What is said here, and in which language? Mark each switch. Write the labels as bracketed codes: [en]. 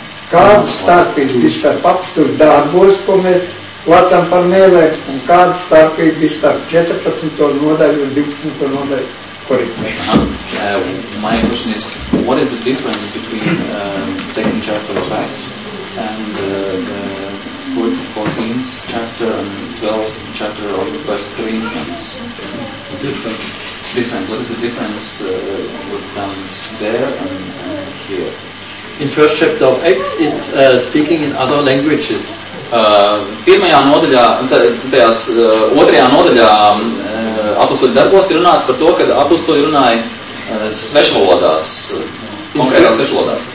[lv] Kāds starpības starp apstuļu darbos, ko mēs lācām par mēlēm, un kāds starpības starp 14. Nodaļu un 12. Nodaļu korekmēs? [en] My question is, what is the difference between second chapter of Acts and good 14th chapter and 12th chapter of the first Corinthians? Difference. What is the difference with tongues there and here? In first chapter of Acts, it's speaking in other languages. [lv] Pirmajā nodaļā, tajās otrajā nodaļā apustuļu darbos ir runāts par to, ka apustuļi runāja svešvalodās, konkrētās svešvalodās.